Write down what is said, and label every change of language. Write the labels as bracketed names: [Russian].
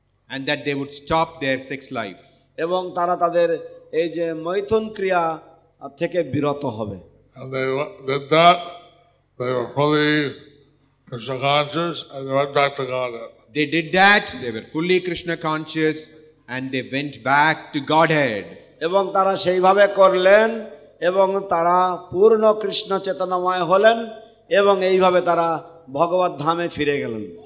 [English] And that they would stop their sex life. [Bangla] এবং তারা তাদের এই যে মৈথুন ক্রিয়া থেকে বিরত হবে [English] And they did that. They were fully Krishna conscious and they went back to Godhead. They did that. They were fully Krishna conscious and they went back to Godhead. [Bangla] এবং তারা সেইভাবে করলেন এবং তারা পূর্ণ কৃষ্ণ চেতনাময় হলেন এবং এইভাবে তারা ভগবত ধামে ফিরে গেলেন